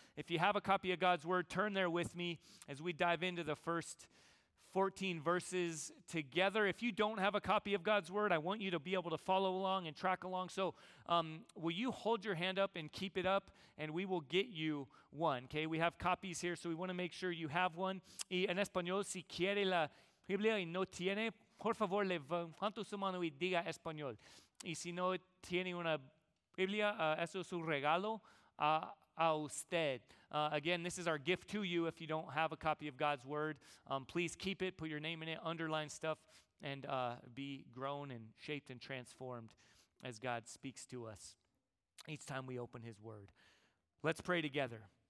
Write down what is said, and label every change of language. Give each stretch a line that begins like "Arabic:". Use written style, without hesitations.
English: If you have a copy of God's Word, turn there with me as we dive into the first 14 verses together. If you don't have a copy of God's Word, I want you to be able to follow along and track along. So will you hold your hand up and keep it up, and we will get you one, okay? We have copies here, so we want to make sure you have one.
Spanish: Y en español, si quiere la Biblia y no tiene, por favor, levanta su mano y diga español. Y si no tiene una Biblia, eso es un regalo a usted.
English: Again, this is our gift to you. If you don't have a copy of God's Word, please keep it, put your name in it, underline stuff, and be grown and shaped and transformed as God speaks to us each time we open his Word. Let's pray together.